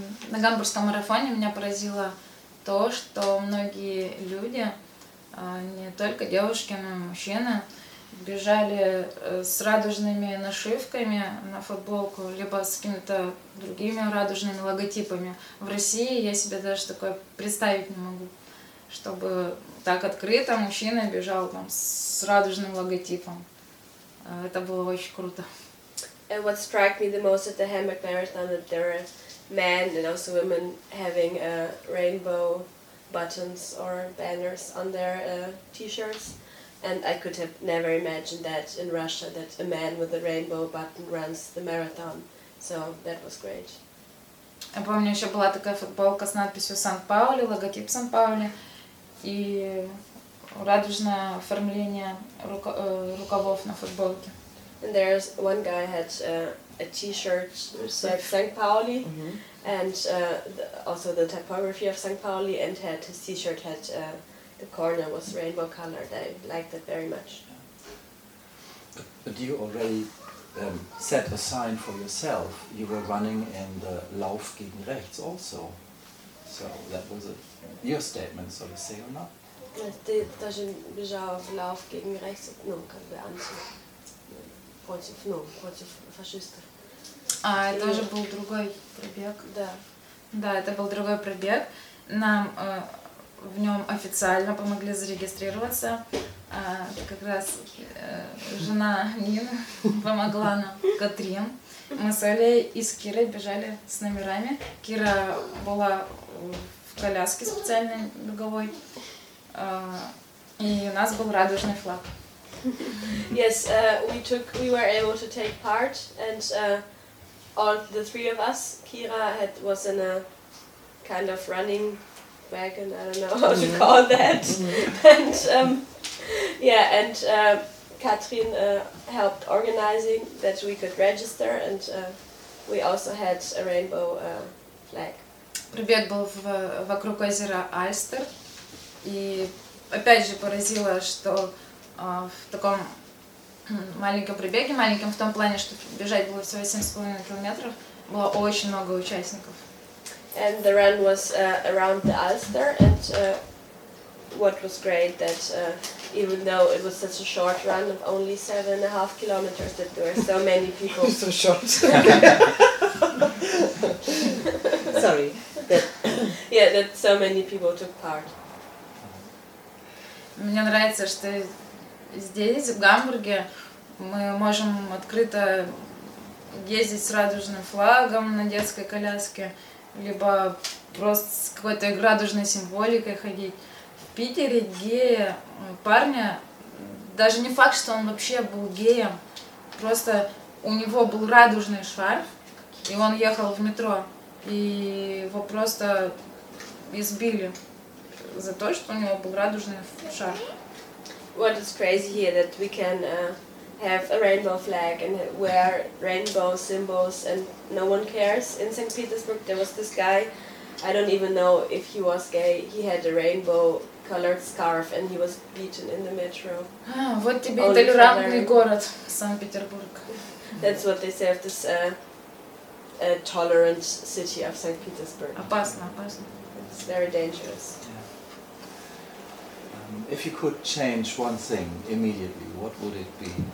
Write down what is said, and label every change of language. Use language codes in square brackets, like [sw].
[ru] На гамбургском марафоне меня поразило то, что многие люди, не только девушки, но и мужчины, бежали с радужными нашивками на футболку, либо с какими-то другими радужными логотипами. В России я себе даже такое представить не могу, чтобы так открыто мужчина бежал там с радужным логотипом. Это было очень круто. [en] And what struck me the most at the Hamburg Marathon that there are men and also women having rainbow buttons or banners on their t-shirts. And I could have never imagined that in Russia that a man with a rainbow button runs the marathon. So that was great. [ru] Я помню, еще была такая футболка с надписью Сан-Паули, логотип Сан-Паули и радужное оформление рукавов на футболке. [en] And there's one guy had a t-shirt with Сан-Паули, and also the typography of Сан-Паули, and had his t-shirt had the corner was rainbow colored. I liked it very much. But you already set a sign for yourself. You were running in the Lauf gegen rechts also. So that was your statement, so to say, or not? [ru] Тоже бежала в Лауф gegen rechts, ну, как бы против фашистов. А, это уже был другой пробег? Да. Да, это был другой пробег. Нам в нем официально помогли зарегистрироваться. Как раз жена Нина помогла нам, Катрин. Мы с Олей и с Кирой бежали с номерами. Кира была в коляске специальной беговой. И у нас был радужный флаг. [en] Yes, we were able to take part, and all the three of us, Kira was in a kind of running wagon, I don't know how to call that. and Katrin helped organizing that we could register, and we also had a rainbow flag. [ru] Прибег был вокруг озера Альстер, и опять же поразило, что в таком маленьком прибеге, маленьком в том плане, что бежать было всего 7,5 километров, было очень много участников. [en] And the run was around the Alster, and what was great that even though it was such a short run of only 7.5 kilometers, that there were so many people. So short. Sorry. Yeah, that so many people took part. [ru] Мне нравится, что здесь, в Гамбурге, мы можем открыто ездить с радужным флагом на детской коляске, либо просто с какой-то радужной символикой ходить. В Питере гея, парня, даже не факт, что он вообще был геем, просто у него был радужный шарф, и он ехал в метро, и его просто избили за то, что у него был радужный шарф. [en] What is crazy here that we can have a rainbow flag and wear rainbow symbols and no one cares. In St. Petersburg there was this guy, I don't even know if he was gay, he had a rainbow colored scarf and he was beaten in the metro. [ru] А, вот тебе толерантный город, Санкт-Петербург. [en] That's what they say of this tolerant city of St. Petersburg. [ru] Опасно, опасно. [en] It's very dangerous. If you could change one thing immediately, what would it be?